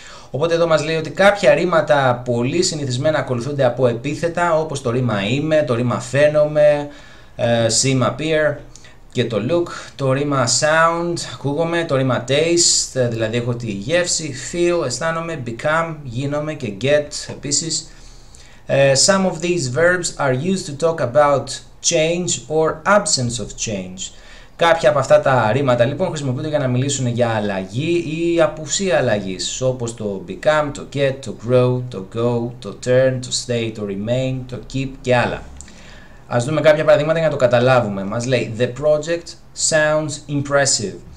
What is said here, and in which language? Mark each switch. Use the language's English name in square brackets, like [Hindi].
[Greek] Οπότε εδώ μας λέει ότι κάποια ρήματα πολύ συνηθισμένα ακολουθούνται από επίθετα, όπως το ρήμα είμαι, το ρήμα φαίνομαι, seem, appear και το look, το ρήμα sound, ακούγομαι, το ρήμα taste, δηλαδή έχω τη γεύση, feel, αισθάνομαι, become, γίνομαι και get επίσης. [English] Some of these verbs are used to talk about change or absence of change. [Greek] Κάποια από αυτά τα ρήματα λοιπόν χρησιμοποιούνται για να μιλήσουν για αλλαγή ή απουσία αλλαγής, όπως το become, το get, το grow, το go, το turn, το stay, το remain, το keep και άλλα. Ας δούμε κάποια παραδείγματα για να το καταλάβουμε. Μας λέει [English] «The project sounds impressive».